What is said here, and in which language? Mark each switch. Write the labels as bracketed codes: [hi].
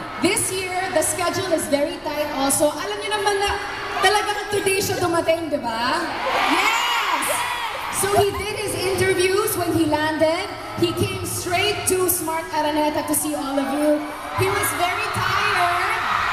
[en] This year, the schedule is very tight also. [tl] Alam niyo naman na talagang today siya dumating, di ba? [en] Yes! So he did his interviews when he landed. He came straight to Smart Araneta to see all of you. He was very tired.